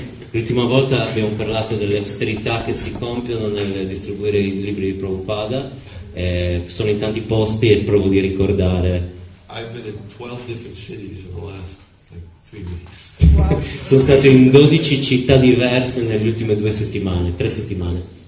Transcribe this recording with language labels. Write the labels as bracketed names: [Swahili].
[Italian] L'ultima volta abbiamo parlato delle austerità che si compiono nel distribuire i libri di Prabhupada. Sono in tanti posti e provo di ricordare. [English] I've been in 12 different cities in the last like 3 weeks. [Italian] Sono stato in 12 città diverse nelle ultime 2 settimane, 3 settimane.